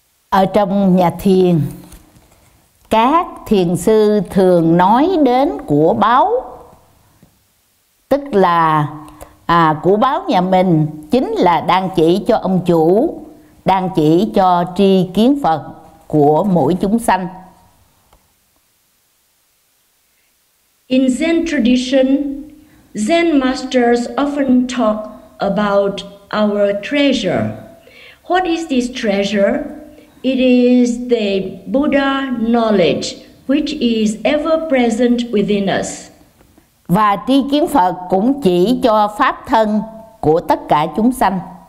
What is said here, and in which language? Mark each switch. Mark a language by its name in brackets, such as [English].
[Vietnamese] Ở trong nhà thiền, các thiền sư thường nói đến của báo, tức là của báo nhà mình chính là đang chỉ cho ông chủ, đang chỉ cho tri kiến Phật của mỗi chúng sanh. [English] In Zen tradition, Zen masters often talk about our treasure. What is this treasure? It is the Buddha knowledge which is ever present within us. [Vietnamese] Và tri kiến Phật cũng chỉ cho pháp thân của tất cả chúng sanh.